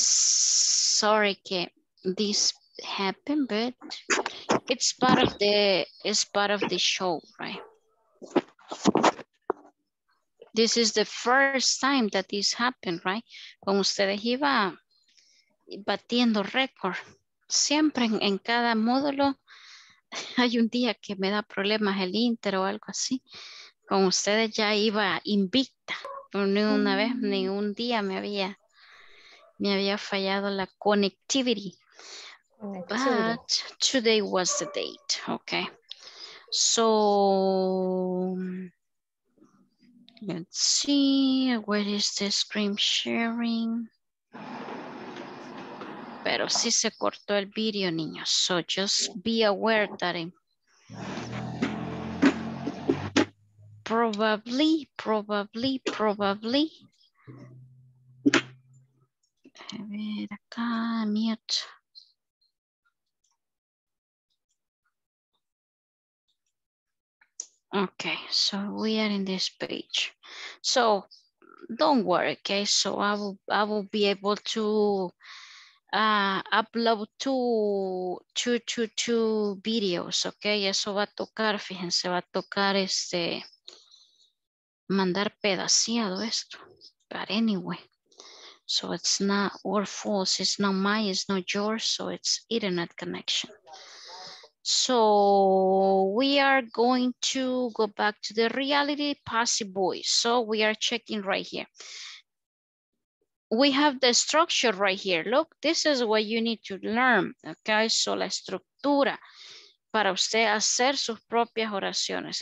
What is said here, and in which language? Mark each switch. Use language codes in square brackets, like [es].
[en] Sorry que this happened, but it's part of the show, right? This is the first time that this happened, right? [es] Con ustedes iba batiendo récord. Siempre en cada módulo hay un día que me da problemas el inter o algo así. Con ustedes ya iba invicta. Ni una vez, ni un día me había fallado la connectivity. [en] But today was the date, okay? So let's see, where is the screen sharing? [es] Pero sí se cortó el video, niños. [en] So just be aware that it, probably. [es] A ver, acá, mute. [en] Okay, so we are in this page. So don't worry, okay? So I will be able to upload two videos, okay? [es] Eso va a tocar, fíjense, va a tocar este mandar pedaciado esto. [en] But anyway, so it's not or false, it's not my, it's not yours, so it's internet connection. So we are going to go back to the reality passive voice. So we are checking right here. We have the structure right here. Look, this is what you need to learn. [es] Okay, so la estructura para usted hacer sus propias oraciones.